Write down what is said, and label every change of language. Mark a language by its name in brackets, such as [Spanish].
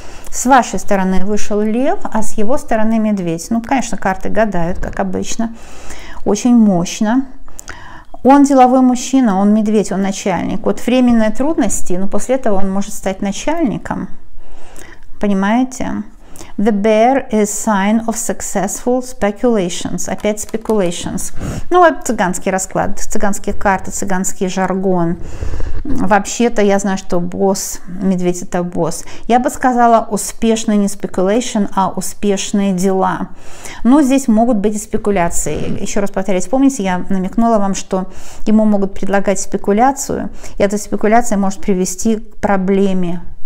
[Russian] С вашей стороны вышел лев, а с его стороны медведь. Ну, конечно, карты гадают, как обычно. Очень мощно. Он деловой мужчина, он медведь, он начальник. Вот временные трудности, но после этого он может стать начальником. Понимаете? [English] The bear is sign of successful speculations. [Russian] Опять speculations. Ну, вот цыганский расклад, цыганские карты, цыганский жаргон. Вообще-то я знаю, что босс, медведь это босс. Я бы сказала, успешные не speculation, а успешные дела. Но здесь могут быть и спекуляции. Еще раз повторяюсь, помните, я намекнула вам, что ему могут предлагать спекуляцию, и эта спекуляция может привести к проблеме.